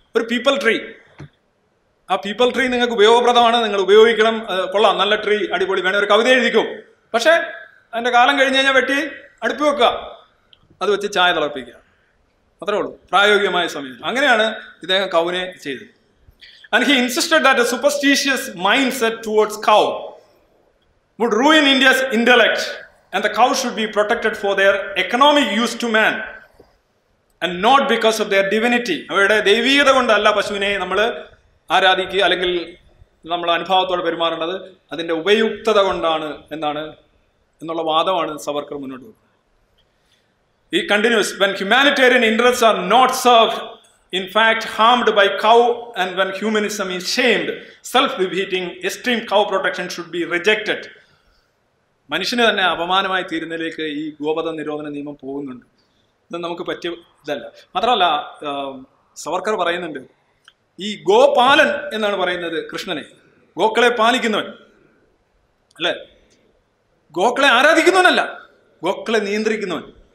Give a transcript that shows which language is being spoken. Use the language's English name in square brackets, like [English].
[Malayalam] ഒരു people tree, ആ people tree നിങ്ങൾക്ക് ഉപയോഗപ്രദമാണ്, നിങ്ങൾ ഉപയോഗിക്കണം, കൊള്ളാം, നല്ല ട്രീ, അടിപൊളി, വേണേൽ ഒരു കവിത എഴുതിക്കും, പക്ഷേ അതിൻ്റെ കാലം കഴിഞ്ഞ് കഴിഞ്ഞാൽ വെട്ടി അടുപ്പി വെക്കുക, അത് വെച്ച് ചായ തിളപ്പിക്കുക, അത്രേ ഉള്ളൂ പ്രായോഗികമായ സമയം. അങ്ങനെയാണ് ഇദ്ദേഹം കൗവിനെ ചെയ്തത്. [English] And he insisted that a superstitious mindset towards cow would ruin India's intellect. And the cow should be protected for their economic use to man and not because of their divinity. [Malayalam] അവരുടെ ദൈവീകത കൊണ്ടല്ല പശുവിനെ നമ്മൾ ആരാധിക്കുക അല്ലെങ്കിൽ നമ്മൾ അനുഭാവത്തോടെ പെരുമാറേണ്ടത്, അതിൻ്റെ ഉപയുക്തത കൊണ്ടാണ് എന്നാണ് എന്നുള്ള വാദമാണ് സവർക്കർ മുന്നോട്ട് വന്നത്. [English] ഈ continues, when humanitarian interests are not served, in fact harmed by cow, and when humanism is shamed, self-defeating extreme cow protection should be rejected. [Malayalam] മനുഷ്യന് തന്നെ അപമാനമായി തീരുന്നതിലേക്ക് ഈ ഗോപദ നിരോധന നിയമം പോകുന്നുണ്ട്. ഇത് നമുക്ക് പറ്റിയ ഇതല്ല. മാത്രമല്ല സവർക്കർ പറയുന്നുണ്ട് ഈ ഗോപാലൻ എന്നാണ് പറയുന്നത് കൃഷ്ണനെ, ഗോക്കളെ പാലിക്കുന്നവൻ അല്ലേ, ഗോക്കളെ ആരാധിക്കുന്നവനല്ല, ഗോക്കളെ നിയന്ത്രിക്കുന്നവൻ.